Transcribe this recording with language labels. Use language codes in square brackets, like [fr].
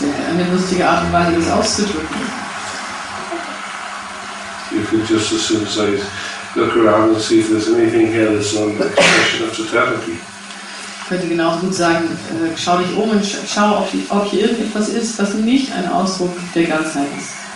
[de] ist eine lustige Art und Weise, das auszudrücken. [en] You could just as soon say, look around and see if there's anything here that's on the expression of totality. [de] Ich könnte genauso gut sagen, schau dich um und schau, ob hier irgendetwas ist, was nicht ein Ausdruck der Ganzheit ist.